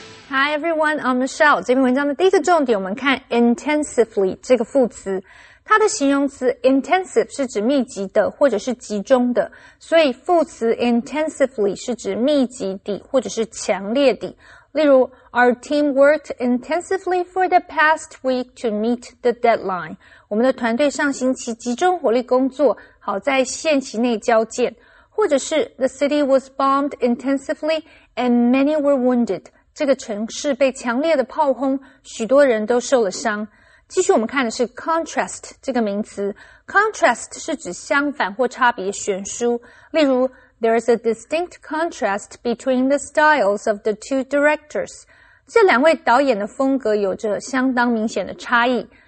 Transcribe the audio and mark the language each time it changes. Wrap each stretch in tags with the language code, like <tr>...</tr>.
<en>Hi, everyone. I'm Michelle.</en> <zh>这篇文章的第一个重点，我们看 intensively 这个副词。它的形容词 intensive 是指密集的或者是集中的，所以副词 intensively 是指密集的或者是强烈的。例如</zh> <en>,our team worked intensively for the past week to meet the deadline.</en> <zh>我们的团队上星期集中火力工作，好在限期内交件。或者是</zh> <en>,the city was bombed intensively and many were wounded.</en> <zh>这个城市被强烈的炮轰，许多人都受了伤。继续我们看的是 contrast 这个名词。contrast 是指相反或差别悬殊。例如</zh> <en>There is a distinct contrast between the styles of the two directors.</en> <zh>这两位导演的风格有着相当明显的差异。</zh>